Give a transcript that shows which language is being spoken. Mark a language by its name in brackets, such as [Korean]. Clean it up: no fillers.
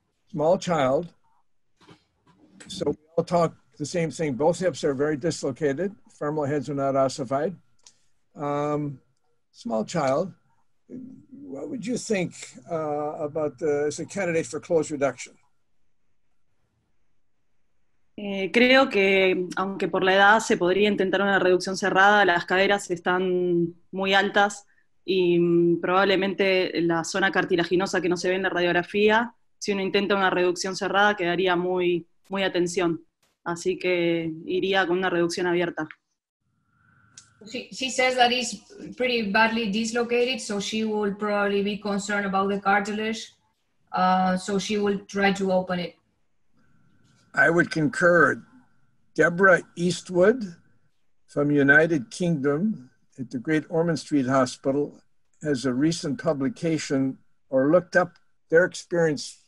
[English] Small child. So we all talk the same thing. Both hips are very dislocated. Femoral heads are not ossified. Small child. What would you think about as a candidate for close reduction? [Spanish] Creo que, aunque por la edad se podría intentar una reducción cerrada, las caderas están muy altas y probablemente la zona cartilaginosa que no se ve en la radiografía, si uno intenta una reducción cerrada, quedaría muy, muy atención. Así que iría con una reducción abierta. [English] She says that it's pretty badly dislocated, so she will probably be concerned about the cartilage, so she will try to open it. I would concur. Deborah Eastwood from United Kingdom at the Great Ormond Street Hospital has a recent publication or looked up their experience.